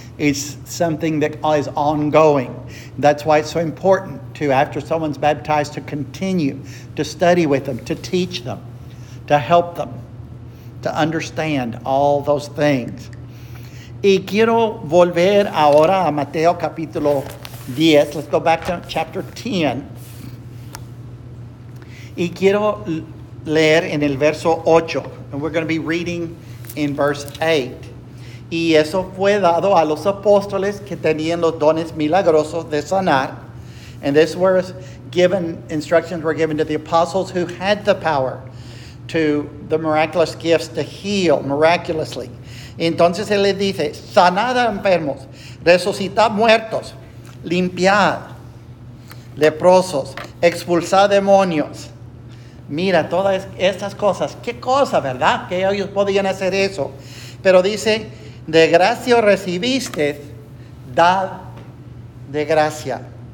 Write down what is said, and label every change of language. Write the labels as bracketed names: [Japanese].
[English] It's something that is ongoing. That's why it's so important to, after someone's baptized, to continue to study with them, to teach them, to help them, to understand all those things. [Spanish] Y quiero volver ahora a Mateo capítulo 10. [English] Let's go back to chapter 10. [Spanish] Y quiero leer en el verso 8. [English] And we're going to be reading in verse 8. [Spanish] Y eso fue dado a los apóstoles que tenían los dones milagrosos de sanar. [English] And this was given, instructions were given to the apostles who had the power to the miraculous gifts to heal miraculously. [Spanish] Entonces él les dice, sanad a enfermos, resucitad muertos, limpiad leprosos, expulsad demonios. Mira, todas estas cosas, qué cosa, ¿verdad? Que ellos podían hacer eso. Pero dice, de gracia recibiste, dad de gracia.